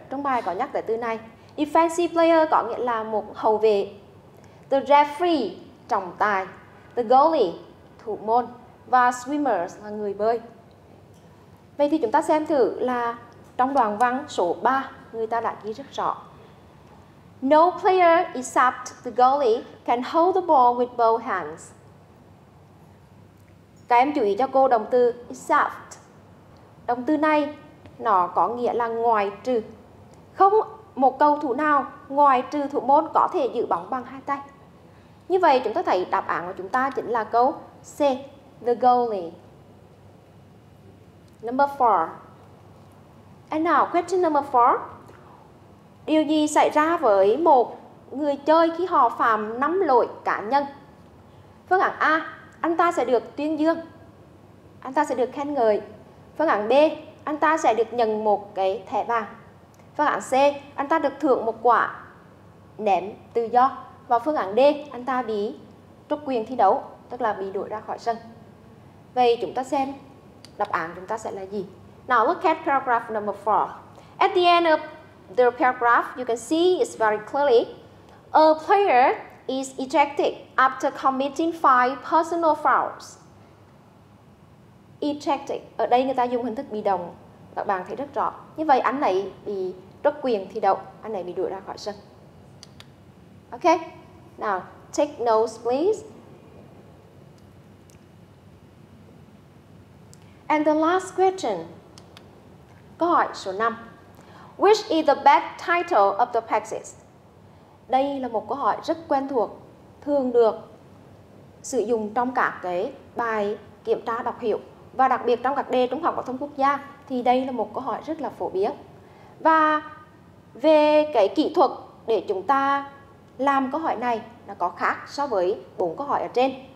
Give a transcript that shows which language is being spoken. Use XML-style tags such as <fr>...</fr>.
<vi>Trong bài có nhắc tới từ này. Defensive player có nghĩa là một hậu vệ. The referee, trọng tài. The goalie, thủ môn. Và swimmers, là người bơi. Vậy thì chúng ta xem thử là trong đoạn văn số 3, người ta đã ghi rất rõ.</vi> <en>No player except the goalie can hold the ball with both hands.</en> <vi>Các em chú ý cho cô động từ except. Động từ này nó có nghĩa là ngoài trừ. Không một cầu thủ nào ngoài trừ thủ môn có thể giữ bóng bằng hai tay. Như vậy chúng ta thấy đáp án của chúng ta chính là câu C, the goalie.</vi> <en>Number 4. And now question number 4.</en> <vi>Điều gì xảy ra với một người chơi khi họ phạm 5 lỗi cá nhân? Phương án A, anh ta sẽ được tuyên dương. Anh ta sẽ được khen ngợi. Phương án B, anh ta sẽ được nhận một cái thẻ vàng. Phương án C, anh ta được thưởng một quả ném tự do. Và phương án D, anh ta bị trục quyền thi đấu, tức là bị đuổi ra khỏi sân. Vậy chúng ta xem đáp án chúng ta sẽ là gì.</vi> <en>Now look at paragraph number 4. At the end of the paragraph, you can see it's very clearly. A player is ejected after committing 5 personal fouls. Ejected.</en> <vi>Ở đây người ta dùng hình thức bị động. Các bạn thấy rất rõ. Như vậy anh này bị trút quyền thi đấu. Anh này bị đuổi ra khỏi sân.</vi> <en>Okay. Now, take notes please. And the last question.</en> <vi>Câu hỏi số 5.</vi> <en>Which is the best title of the practice?</en> <vi>Đây là một câu hỏi rất quen thuộc, thường được sử dụng trong các cái bài kiểm tra đọc hiểu. Và đặc biệt trong các đề trung học phổ thông quốc gia thì đây là một câu hỏi rất là phổ biến. Và về cái kỹ thuật để chúng ta làm câu hỏi này là có khác so với 4 câu hỏi ở trên.</vi>